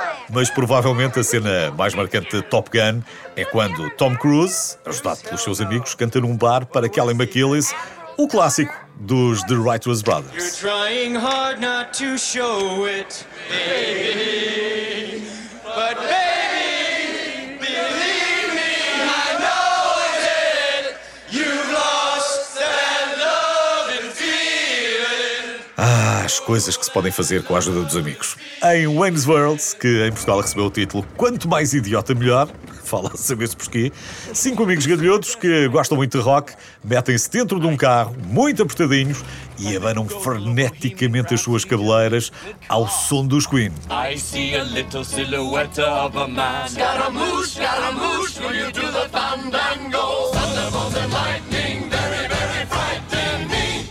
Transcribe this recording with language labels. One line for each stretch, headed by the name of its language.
Portuguese: Mas provavelmente a cena mais marcante de Top Gun é quando Tom Cruise, ajudado pelos seus amigos, canta num bar para Kelly McGillis o clássico dos The Righteous Brothers.
English: You're trying hard not to show it, baby, but baby.
Portuguese: As coisas que se podem fazer com a ajuda dos amigos. Em Wayne's World, que em Portugal recebeu o título Quanto Mais Idiota Melhor, fala-se saber-se porquê, cinco amigos galhotos que gostam muito de rock metem-se dentro de um carro, muito apertadinhos, e abanam freneticamente as suas cabeleiras ao som dos Queen.
English: I see a little silhouette of a man. Scaramouche, scaramouche, will you do the fandango? Thunderbolts and lightning, very, very frightening me.